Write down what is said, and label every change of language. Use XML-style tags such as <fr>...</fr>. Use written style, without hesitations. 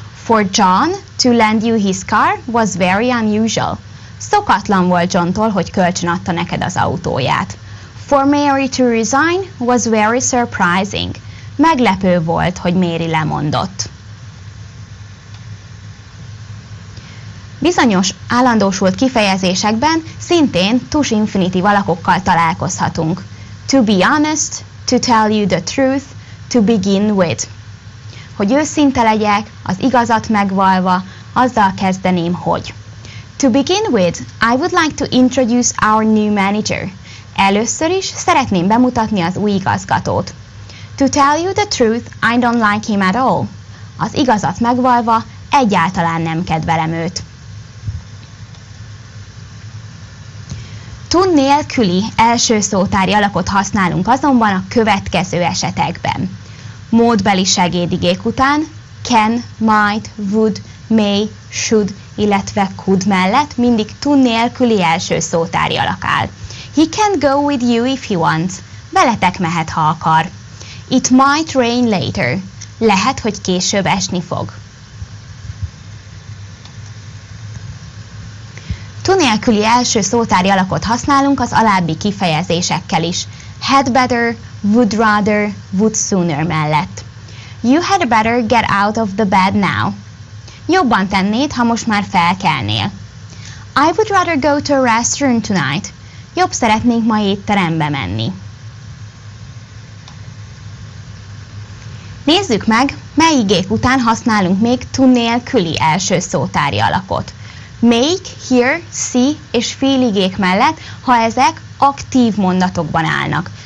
<en>For John to lend you his car was very unusual.</en> <hu>Szokatlan volt Johntól, hogy kölcsön adta neked az autóját.</hu> <en>For Mary to resign was very surprising.</en> <hu>Meglepő volt, hogy Mary lemondott. Bizonyos állandósult kifejezésekben szintén tus infinitív alakokkal találkozhatunk.</hu> <en>To be honest, to tell you the truth, to begin with.</en> <hu>Hogy őszinte legyek, az igazat megvalva, azzal kezdeném, hogy.</hu> <en>To begin with, I would like to introduce our new manager.</en> <hu>Először is szeretném bemutatni az új igazgatót.</hu> <en>To tell you the truth, I don't like him at all.</en> <hu>Az igazat megvalva, egyáltalán nem kedvelem őt. Tun nélküli első szótári alakot használunk azonban a következő esetekben. Módbeli segédigék után can, might, would, may, should, illetve could mellett mindig tun nélküli első szótári alak áll.</hu> <en>He can go with you if he wants.</en> <hu>Veletek mehet, ha akar.</hu> <en>It might rain later.</en> <hu>Lehet, hogy később esni fog. Tu nélküli első szótári alakot használunk az alábbi kifejezésekkel is. Had better, would rather, would sooner mellett.</hu> <en>You had better get out of the bed now.</en> <hu>Jobban tennéd, ha most már felkelnél.</hu> <en>I would rather go to a restaurant tonight.</en> <hu>Jobb szeretnénk ma étterembe menni. Nézzük meg, mely igék után használunk még tu nélküli első szótári alakot. Make, hear, see és feel igék mellett, ha ezek aktív mondatokban állnak.</hu>